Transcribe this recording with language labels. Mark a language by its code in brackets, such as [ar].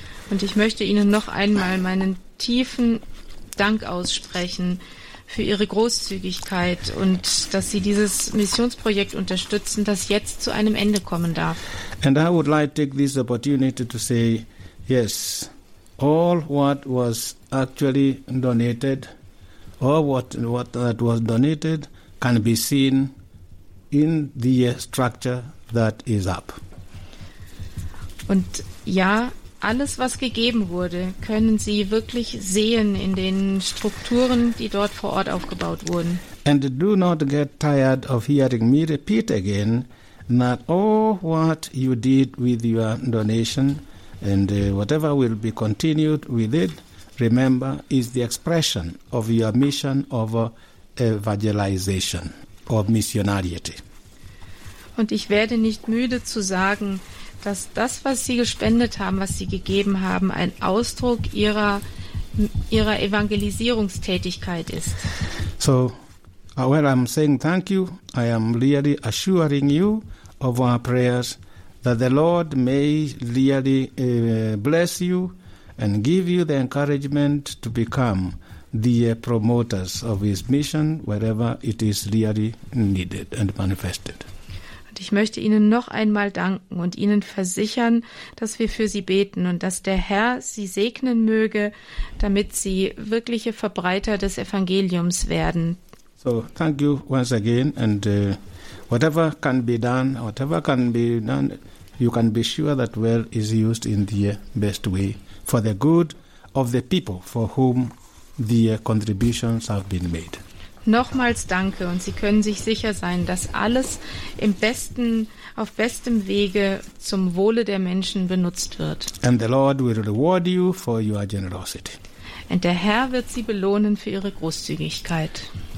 [de] Und ich möchte Ihnen noch einmal meinen tiefen Dank aussprechen für Ihre Großzügigkeit und dass Sie dieses Missionsprojekt unterstützen, das jetzt zu einem Ende kommen darf. [en] And I would like to take this opportunity to say, yes, all what was actually donated, all what that was donated, can be seen in the structure that is up. [de] Und ja, alles, was gegeben wurde, können Sie wirklich sehen in den Strukturen, die dort vor Ort aufgebaut wurden. [en] And do not get tired of hearing me repeat again that all what you did with your donation and whatever will be continued with it, remember, is the expression of your mission of evangelization, of missionariety. [de] Und ich werde nicht müde zu sagen, dass das, was Sie gespendet haben, was Sie gegeben haben, ein Ausdruck Ihrer Evangelisierungstätigkeit ist. [en] So, while I'm saying thank you, I am really assuring you of our prayers that the Lord may really bless you and give you the encouragement to become the promoters of His mission wherever it is really needed and manifested. [de] Ich möchte Ihnen noch einmal danken und Ihnen versichern, dass wir für Sie beten und dass der Herr Sie segnen möge, damit Sie wirkliche Verbreiter des Evangeliums werden. [en] So, thank you once again, and whatever can be done, you can be sure that well is used in the best way for the good of the people for whom the contributions have been made. [de] Nochmals danke, und Sie können sich sicher sein, dass alles im besten, auf bestem Wege zum Wohle der Menschen benutzt wird. [en] And the Lord will reward you for your generosity. [de] Und der Herr wird Sie belohnen für Ihre Großzügigkeit.